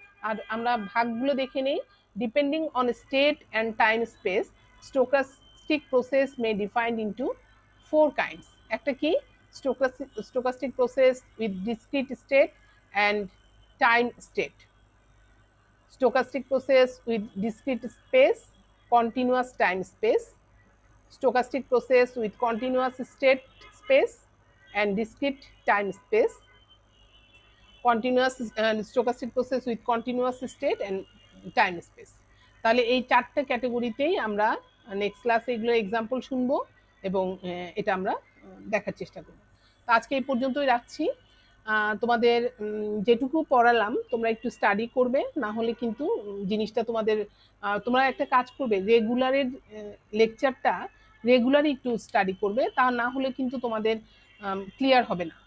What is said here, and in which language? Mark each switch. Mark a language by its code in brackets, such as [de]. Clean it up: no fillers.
[bn] আর আমরা ভাগগুলো দেখে নেই, [en] Depending on state and time space stochastic process may defined into four kinds. [bn] একটা কি [en] Stochastic process with discrete state and time state, stochastic process with discrete space continuous time space, stochastic process with continuous state space and discrete time space, continuous stochastic process with continuous state and time space. [bn] তাহলে এই চারটে ক্যাটাগরিতেই আমরা next ক্লাসে এগুলো example শুনব এবং এটা আমরা দেখার চেষ্টা করব। তো আজকে এই পর্যন্তই রাখছি। তোমাদের যেটুকু পড়ালাম তোমরা একটু স্টাডি করবে, না হলে কিন্তু জিনিসটা তোমাদের, তোমরা একটা কাজ করবে, রেগুলারের লেকচারটা রেগুলারই একটু স্টাডি করবে, তা না হলে কিন্তু তোমাদের ক্লিয়ার হবে না।